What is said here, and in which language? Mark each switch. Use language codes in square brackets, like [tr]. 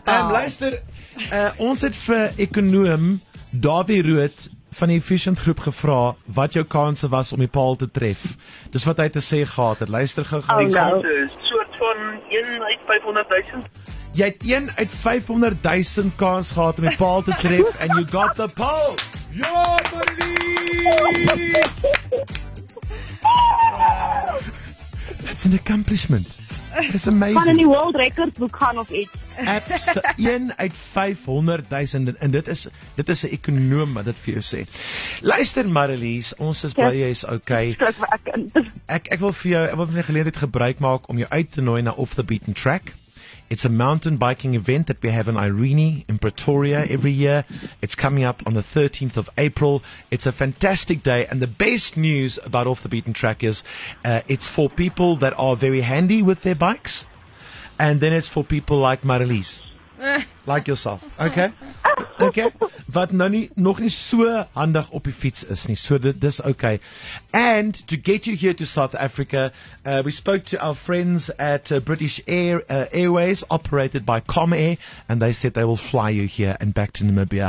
[af] Luister, ons het vir ekonoom Davie Rood van die Efficient Groep gevra wat jou kanse was om die paal te tref. Dis wat hy te sê gehad het. Luister gou. Die kanse is soort van 1 uit 500.000. Jy het 1 uit 500.000 kans gehad om die paal te tref en [en] you got the pole. [af] Ja, Marilise! [en] That's an accomplishment. It's amazing. [af] Gaan in die [en] world record book [af] gaan of iets. 1 uit 500.000 en dit is 'n ekonoom wat dit vir jou sê. Luister Marilise, ons is bly jy's okay. Ek wil vir jou, ek wil van die geleentheid gebruik maak om jou uit te nooi na Off the Beaten Track. [en] It's a mountain biking event that we have in Irene in Pretoria every year. It's coming up on the 13th of April. It's a fantastic day. And the best news about Off the Beaten Track is it's for people that are very handy with their bikes. And then it's for people like Marilise. Like yourself. Okay? Okay? [af] Wat nog nie so handig op die fiets is nie. So dit is okay. [en] And to get you here to South Africa, we spoke to our friends at British Airways, operated by Comair, and they said they will fly you here and back to Namibia.